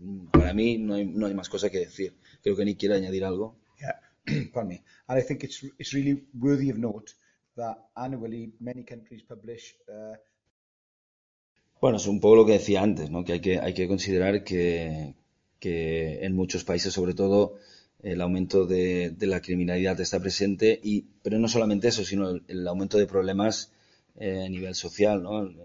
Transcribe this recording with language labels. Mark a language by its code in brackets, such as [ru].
[es] Para mí, no hay más cosa que decir. Creo que Nick quiere añadir algo. [en] Yeah, pardon me. And I think it's really worthy of note that annually many countries publish. [es] Bueno, es un poco lo que decía antes, ¿no? Que hay que considerar que en muchos países, sobre todo, el aumento de la criminalidad está presente, y pero no solamente eso, sino el aumento de problemas a nivel social, ¿no?